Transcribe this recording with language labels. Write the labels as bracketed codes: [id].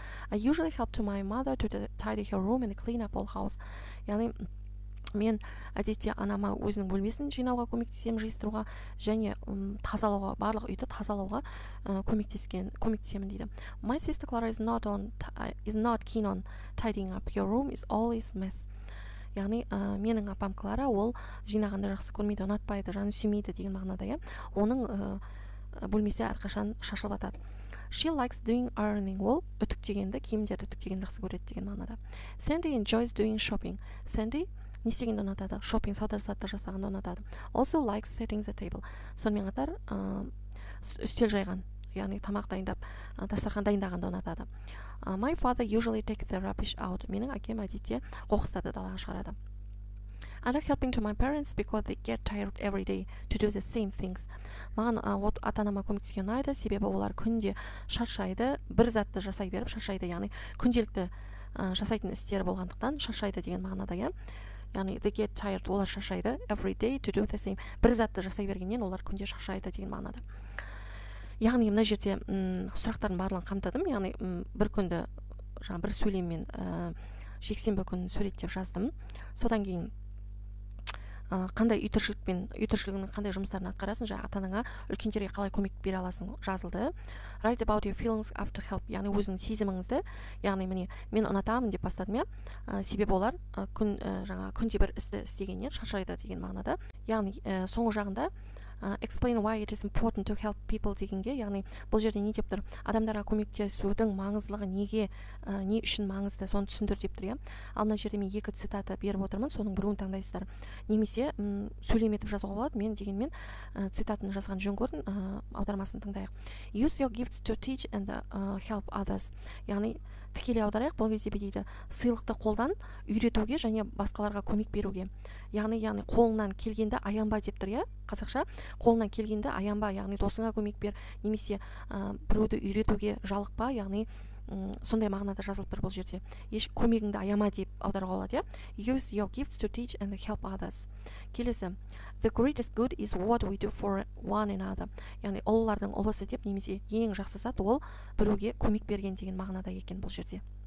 [en] I usually help to my mother to tidy her room and clean up all house. [kk] Яғни, мен әдетте анама өзінің бөлмесін жинауға көмектесем, жиыстыруға және тазалауға, барлық үйді тазалауға көмектесемін дейді. [en] My sister Clara is not keen on tidying up. Your room is always mess. [kk] Яғни, менің апам Клара ол жинағанды жақсы көрмейді, ұнатпайды, жаны сүймейді деген мағынада, иә. Оның бөлмесі әрқашан шашылып жатады. [en] She likes doing ironing. [kk] Ол үтіктегенді, киімдерді үтіктегенді жақсы көреді деген мағынада. [en] Sandy enjoys doing shopping. [kk] Sandy не істегенді ұнатады? Шопинг, сауда-саттық жасағанды ұнатады. [en] Also likes setting the table. [kk] Сонымен қатар, үстел жайған, яғни тамақ дайындап, дастархан дайындағанды ұнатады. [en] My father usually takes the rubbish out. [kk] Менің әкем әдетте қоқыстарды далаға шығарады. [en] I like helping to my parents because they get tired every day to do the same things. [kk] Маған ата-анама көмектесуге ұнайды, себебі олар күнде шаршайды, бір затты жасай беріп шаршайды, яғни күнделікті жасайтын істері болғандықтан шаршайды деген мағынада, иә. [en] Яғни they get tired, [kk] олар шаршайды, [en] every day to do the same. [kk] Бір затты жасай бергеннен олар күнде шаршайды деген мағынада. Яғни мына жерде сұрақтардың барлығын қамтадым, яғни бір күнді жаңа бір сөйлеммен жексенбі күнін суреттеп жаздым. Содан кейін қандай үй тіршілігінің қандай жұмыстарын атқарасың, жаңа ата-анаңа үлкендерге қалай көмек бере аласың жазылды. [en] Write about your feelings after help. [kk] Яғни өзің сезіміңізді, яғни міне мен ұнатамын деп бастадым, иә. Себебі олар күнде бір істі істегеннен шаршайды деген мағынада. Яғни соңғы жағында [en] explain why it is important to help people [kk] дегенге, яғни бұл жерде не деп тұр? Адамдарға көмектесудің маңыздылығы неге, не үшін маңызды, соны түсіндір деп тұр, иә. Ал мына жерде мен екі цитата беріп отырмын, соның біреуін таңдайсыздар. Немесе сөйлеметіп жазуға болады, мен дегенмен цитатын жазған жөн көрдім, аудармасын тыңдайық. [en] Use your gifts to teach and help others. [kk] Яғни тікелей аударайық, бұл кезде дейді, сыйлықты қолдан үйретуге және басқаларға көмек беруге. Яғни қолыңнан келгенді аянба деп тұр, иә. Қазақша қолыңнан келгенді аянба, яғни досыңа көмек бер, немесе біреуді үйретуге жалықпа, яғни сондай мағынада жазылып тұр бұл жерде. Еш көмегіңді аяма деп аударуға болады, иә. [en] Use your gifts to teach and help others. [kk] Келесі. [en] The greatest good is what we do for one another. [kk] Яғни ұлылардың ұлысы деп, немесе ең жақсы зат ол біреуге көмек берген деген мағынада екен бұл жерде.